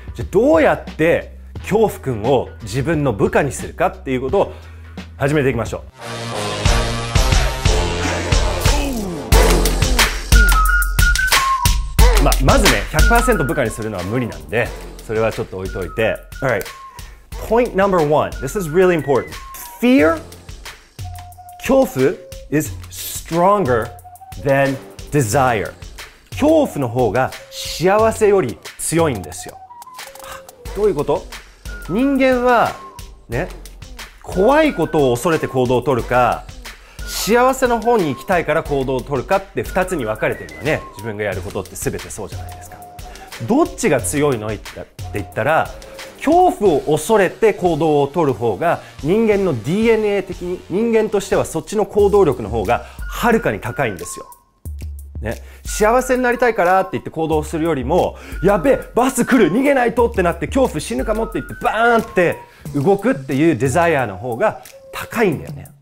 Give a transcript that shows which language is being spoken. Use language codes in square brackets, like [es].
[ja] じゃあどうやって恐怖君を自分の部下にするかっていうことを始めていきましょう。まずね、100% 部下にするのは無理なんで、それはちょっと置いといて。 [en] Alright. Point number one. This is really important. Fear, 恐怖 is stronger than desire. [ja] 恐怖の方が幸せより強いんですよ。どういうこと？人間はね、怖いことを恐れて行動をとるか、幸せの方に行きたいから行動を取るかって2つに分かれてるよね。自分がやることって全てそうじゃないですか。どっちが強いのって言ったら、恐怖を恐れて行動を取る方が人間の DNA 的に、人間としてはそっちの行動力の方がはるかに高いんですよ、ね、幸せになりたいからって言って行動するよりも、やべえバス来る逃げないとってなって恐怖死ぬかもって言ってバーンって動くっていうデザイアの方が高いんだよね。